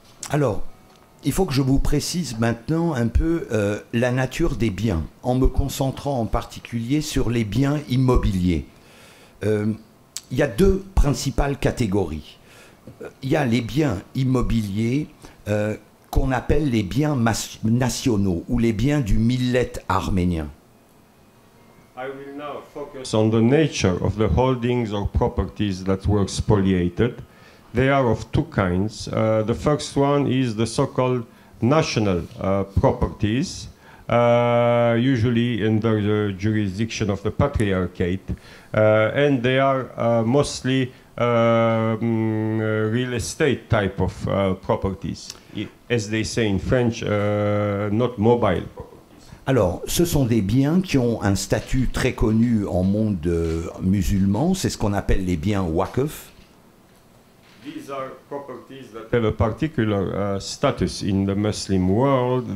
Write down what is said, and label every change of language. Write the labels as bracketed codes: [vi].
[fr] Alors, il faut que je vous précise maintenant un peu la nature des biens, en me concentrant en particulier sur les biens immobiliers. Il y a deux principales catégories. Il y a les biens immobiliers qu'on appelle les biens nationaux ou les biens du millet arménien. [en] I will now focus on the nature of the holdings or properties that were spoliated. They are of two kinds. The first one is the so-called national properties, usually under the jurisdiction of the Patriarchate, and they are mostly real estate type of properties, as they say in French, not mobile. [fr] Alors, ce sont des biens qui ont un statut très connu en monde musulman, c'est ce qu'on appelle les biens waqf. [en] These are properties that have a particular status in the Muslim world.